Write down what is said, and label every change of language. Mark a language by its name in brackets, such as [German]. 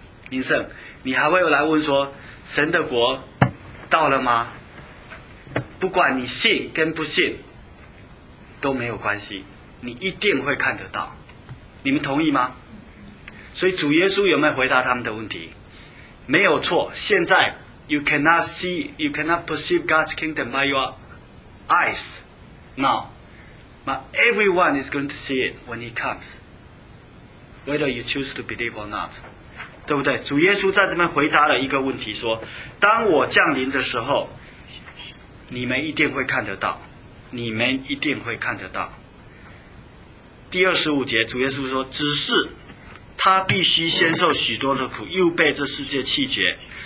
[Chinese] 林胜，你还会来问说神的国到了吗？不管你信跟不信都没有关系，你一定会看得到。你们同意吗？所以主耶稣有没有回答他们的问题？没有错。 [English] 现在 You cannot see, you cannot perceive God's kingdom by your eyes now, but everyone is going to see it when he comes, whether you choose to believe or not. [Chinese] 对不对？主耶稣在这边回答了一个问题，说：“当我降临的时候，你们一定会看得到，你们一定会看得到。” 第二十五节，主耶稣说：“只是他必须先受许多的苦，又被这世界弃绝。”